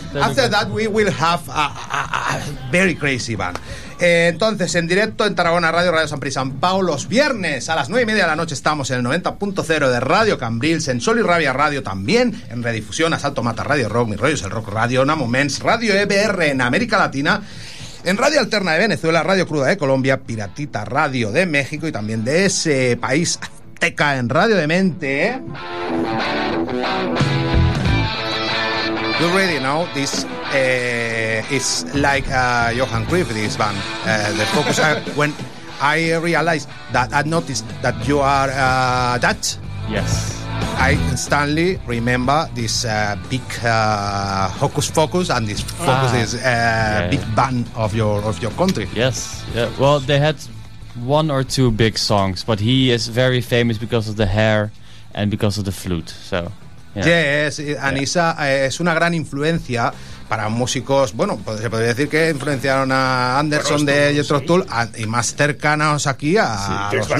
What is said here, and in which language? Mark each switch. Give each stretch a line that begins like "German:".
English: After that, we will have a very crazy band.
Spanish: Entonces, en directo en Tarragona Radio, Radio San Pedro y San Pau, los viernes a las 9:30 de la noche estamos en el 90.0 de Radio Cambrils, en Sol y Rabia Radio también, en Redifusión, Asalto Mata Radio Rock, Mi Rollo es el Rock Radio, Namo Mens, Radio EBR en América Latina. En Radio Alterna de Venezuela, Radio Cruda de Colombia, Piratita Radio de México y también de ese país azteca en Radio Demente.
English: We already know this is like Johan Cruyff, this band. The focus, when I realized that I noticed that you are Dutch. Yes. I instantly remember this big Hocus Pocus and this Focus is big band of your country. Yes. Yeah. Well, they had one or two big songs, but he is very famous because of the hair and because of the flute. So. Yeah.
Spanish: Yes, Anissa es una gran influencia para músicos. Bueno, se podría decir que influenciaron a Anderson de Jethro Tull y más cercanos aquí a los